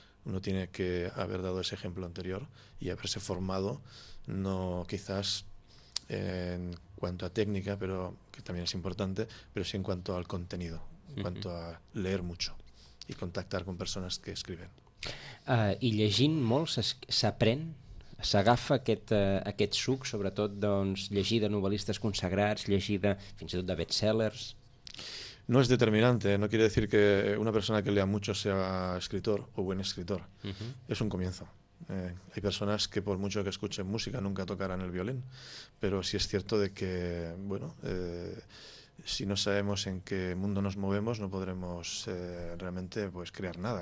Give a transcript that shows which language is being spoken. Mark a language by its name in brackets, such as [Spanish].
[Spanish] Uno tiene que haber dado ese ejemplo anterior y haberse formado, no quizás en cuanto a técnica, pero que también es importante, pero sí en cuanto al contenido, en cuanto a leer mucho y contactar con personas que escriben. [Catalan] I llegint molt s'aprèn? S'agafa aquest suc, sobretot doncs, llegir de novel·listes consagrats, llegir fins i tot de bestsellers? [Spanish] No es determinante, no quiere decir que una persona que lea mucho sea escritor o buen escritor. Es un comienzo. Hay personas que por mucho que escuchen música nunca tocarán el violín, pero sí es cierto de que, bueno, si no sabemos en qué mundo nos movemos, no podremos realmente pues, crear nada.